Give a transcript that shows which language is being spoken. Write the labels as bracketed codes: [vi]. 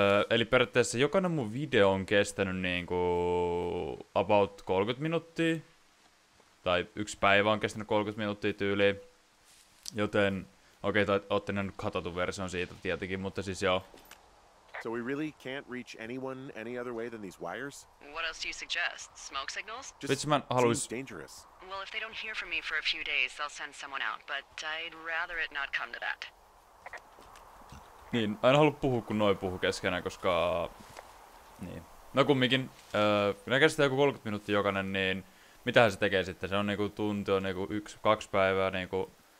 [fi] Eli periaatteessa jokainen mun video on kestänyt niinku about 30 minuuttia. Tai yksi päivä on kestänyt 30 minuuttia tyyliin. Joten, okei, ootte nähnyt katotun version siitä tietenkin, mutta siis joo. [en] So we really can't reach anyone any other way than these wires? What else do you suggest? Smoke signals? Just seems dangerous. Well, if they don't hear from me for a few days, they'll send someone out. But I'd rather it not come to that. [fi] Niin, en halua puhua, kun noi puhuu keskenään, koska... Niin. No kumminkin, kun ne kestää joku 30 minuuttia jokainen, niin... Mitähän se tekee sitten? Se on niinku tunti, on niinku 1-2 päivää, niinku...